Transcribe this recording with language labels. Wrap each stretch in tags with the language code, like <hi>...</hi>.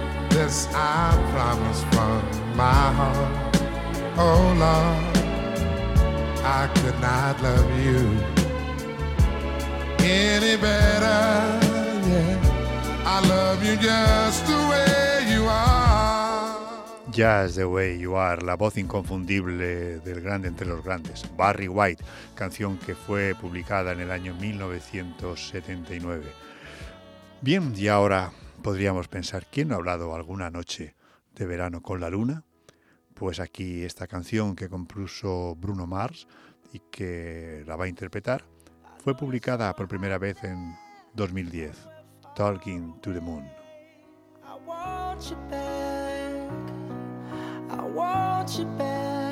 <en>This I promise from my heart, oh Lord. I could not love you any better, yeah. I love you just the way you are.</en> <es>Just the way you are, la voz inconfundible del grande entre los grandes, Barry White, canción que fue publicada en el año 1979. Bien, y ahora podríamos pensar, ¿quién no ha hablado alguna noche de verano con la luna? Pues aquí esta canción que compuso Bruno Mars y que la va a interpretar, fue publicada por primera vez en 2010, Talking to the Moon.</es> <en>I want you back, I want you back.</en>